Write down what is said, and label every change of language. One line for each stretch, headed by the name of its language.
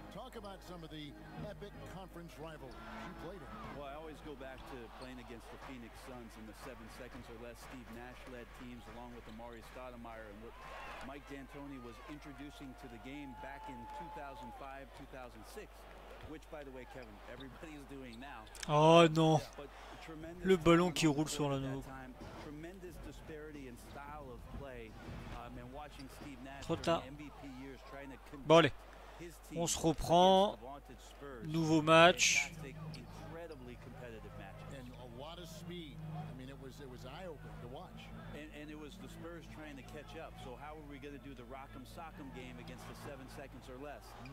English: Talk about some of the epic conference rivalries you played in. Well, I always go back to playing against the Phoenix Suns and the 7 seconds or less Steve Nash-led teams, along with Amari Stoudemire and what Mike D'Antoni was introducing to the game back in 2005, 2006. Which, by the way, Kevin, everybody is doing now.
French: Oh non, le ballon qui roule sur l'anneau.
English: Tremendous disparity in style of play. And watching Steve Nash in the MVP years trying to compete.
French: Bon, allez, on se reprend. Nouveau match.
English: Incredibly competitive match. And a lot of speed. I mean, it was eye-opening to watch. And it was the Spurs trying to catch up. So how are we going to do the Rock'em Sock'em game against the 7 seconds or less?